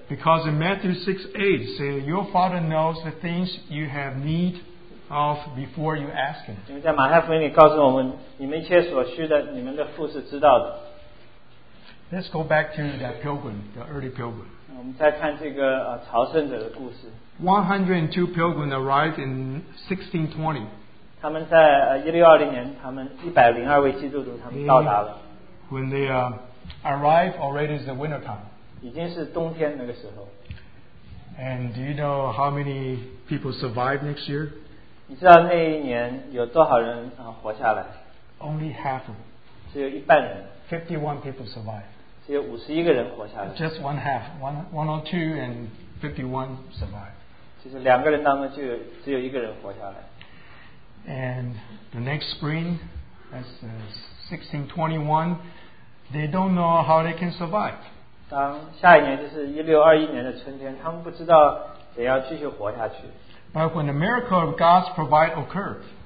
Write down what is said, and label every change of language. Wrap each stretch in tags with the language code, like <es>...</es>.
<en>Because in Matthew 6:8, it says, your father knows the things you have need of before you ask him.</en> <zh>因为在马太福音里告诉我们，你们一切所需的，你们的父是知道的。</zh> <en>Let's go back to that pilgrim, the early pilgrim.</en> <zh>我们再看这个, 朝圣者的故事。</zh> <en>102 pilgrims arrived in 1620.</en> <zh>他们在, 1620年, 他们102位基督徒, 他们到达了。</zh> <en>When they arrived, already is the winter time.</en> <zh>已经是冬天那个时候。</zh> <en>And do you know how many people survived next year?</en> <zh>你知道那一年有多少人, 活下来?</zh> <en>Only half of them.</en> <zh>只有一半人。</zh> <en>51 people survived.</en> <zh>只有51个人活下来,</zh> <en>just one half, 102 and 51 survived.</en> <zh>其实两个人当中就有一个人活下来。</zh> <en>And the next spring, that's 1621, they don't know how they can survive.</en> <zh>当下一年就是1621年的春天, 他们不知道怎样继续活下去。</zh> <en>But when the miracle of God's provide occurred,</en>